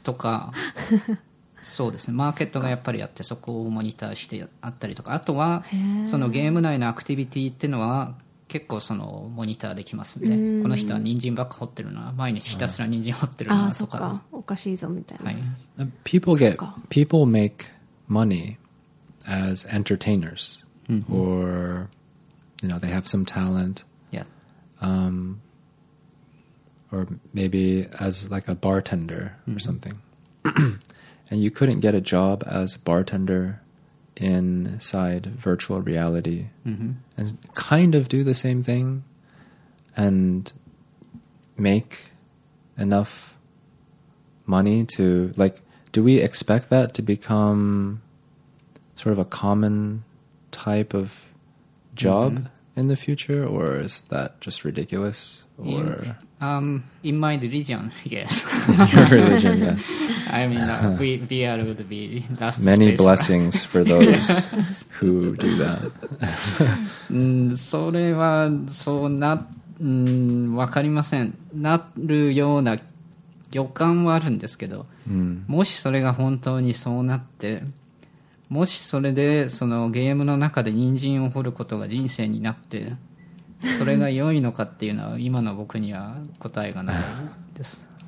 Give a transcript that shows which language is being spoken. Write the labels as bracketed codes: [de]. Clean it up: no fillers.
[ja] とか、そうですね。マーケットがやっぱりあって、そこをモニターしてあったりとか、あとはそのゲーム内のアクティビティっていうのは結構そのモニターできますんで、この人は人参ばっか掘ってるな、毎日ひたすら人参掘ってるなとか、そうか、おかしいぞみたいな。はい。 [en] People make money as entertainers, or you know they have some talent. Yeah. Or maybe as like a bartender or something. And you couldn't get a job as a bartender inside virtual reality and kind of do the same thing and make enough money to, like, do we expect that to become sort of a common type of job in the future, or is that just ridiculous? Or In my religion, yes. Your religion, yes. I mean, VR would be last. Many blessings for those who do that. [ja] それはそうな、わかりません。なるような予感はあるんですけど、もしそれが本当にそうなって、もしそれでそのゲームの中で人参を掘ることが人生になって、それが良いのかっていうのは今の僕には答えがないです。